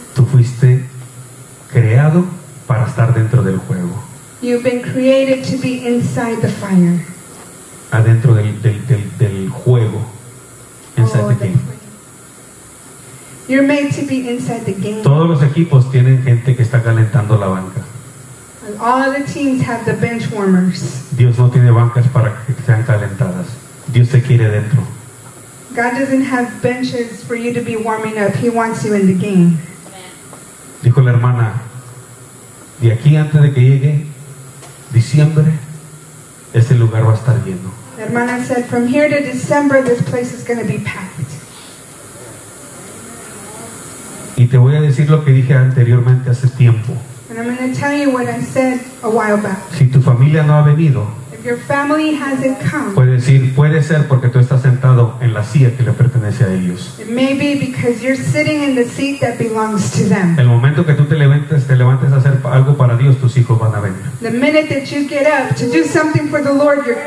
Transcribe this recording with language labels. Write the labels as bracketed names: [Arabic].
[Spanish] Tú fuiste creado para estar dentro del juego. [English] You've been created to be inside the fire. [Spanish] Adentro del juego. [English] Inside the game. You're made to be inside the game. [Spanish] Todos los equipos tienen gente que está calentando la banca. [English] All the teams have the bench warmers. [Spanish] Dios no tiene bancas para que sean calentadas. Dios te quiere dentro. [English] God doesn't have benches for you to be warming up. He wants you in the game. [Spanish] Dijo la hermana, de aquí antes de que llegue diciembre, este lugar va a estar lleno. La hermana [English] said, from here to December, this place is going to be packed. [Spanish] Y te voy a decir lo que dije anteriormente hace tiempo. [English] And I'm going to tell you what I said a while back. [Spanish] Si tu familia no ha venido, [English] if your family hasn't come, [Spanish] puede decir, puede ser porque tú estás sentado en la silla que le pertenece a ellos. [English] It may be because you're sitting in the seat that belongs to them. [Spanish] El momento que tú te levantes a hacer algo para Dios, tus hijos van a venir. [English] The minute that you get up to do something for the Lord, your